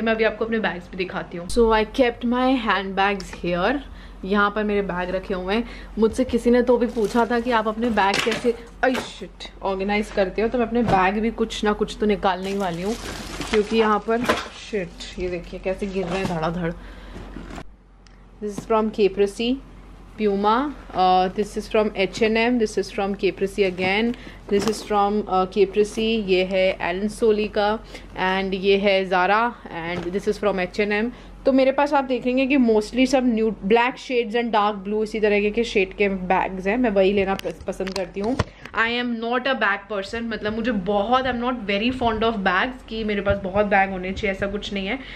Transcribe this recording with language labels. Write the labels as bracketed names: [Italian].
[Hindi] मैं अभी आपको अपने बैग्स भी दिखाती हूँ. [English] So I kept my hand bags here. [Hindi] यहाँ पर मेरे बैग रखे हुए हैं. मुझसे किसी ने तो भी पूछा था कि आप अपने बैग कैसे ऑर्गेनाइज करते हो, तो मैं अपने बैग भी कुछ ना कुछ तो निकालने ही वाली हूँ, क्योंकि यहाँ पर ये देखिए कैसे गिर रहे हैं धड़ाधड़. [English] This is from Caprese, Puma. This is from H&M. This is from Caprese again. This is from Caprese. [Hindi] ये है Allen Solly का. And ये है Zara. [English] And this is from H&M. [Hindi] तो मेरे पास आप देखेंगे कि मोस्टली सब new black shades and dark blue इसी तरह के शेड के बैग्स हैं. मैं वही लेना पसंद करती हूँ. [English] I am not a bag person. [Hindi] मतलब मुझे बहुत, [English] I am not very fond of bags, [Hindi] कि मेरे पास बहुत बैग होने चाहिए, ऐसा कुछ नहीं है.